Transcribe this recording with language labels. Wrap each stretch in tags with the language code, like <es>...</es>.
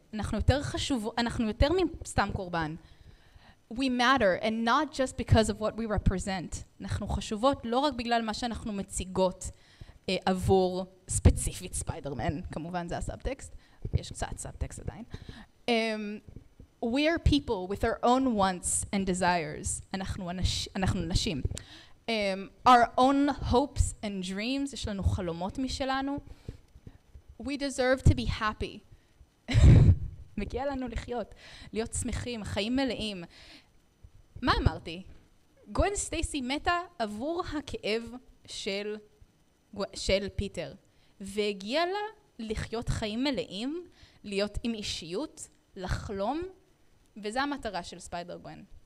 <he>אנחנו יותר חשוב, אנחנו יותר מסתם קורבן.</he> <en>We matter, and not just because of what we represent.</en> <he>אנחנו חשובות לא רק בגלל מה שאנחנו מציגות עבור ספציפית ספיידרמן. כמובן זה הסאבטקסט. יש קצת סאבטקסט עדיין.</he> <en>We are people with our own wants and desires.</en> <he>אנחנו נשים.</he> <en>Our own hopes and dreams,</en> <he>יש לנו חלומות משלנו.</he> <en>We deserve to be happy.</en> <he>מגיע לנו לחיות, להיות שמחים, חיים מלאים. מה אמרתי? גווין סטייסי מתה עבור הכאב של פיטר, והגיע לה לחיות חיים מלאים, להיות עם אישיות, לחלום, וזו המטרה של ספיידר גווין.</he>